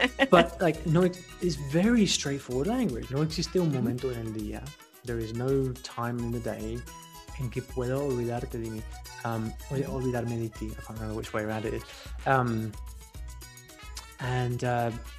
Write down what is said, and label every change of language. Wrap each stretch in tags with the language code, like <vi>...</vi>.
<en>But like, no, it's very straightforward language.</en> <es>No existe un momento en el día.</es> <en>There is no time in the day</en> <es>en que pueda olvidarte de mí. Olvidarme de ti.</es> <en>I can't remember which way around it is.</en>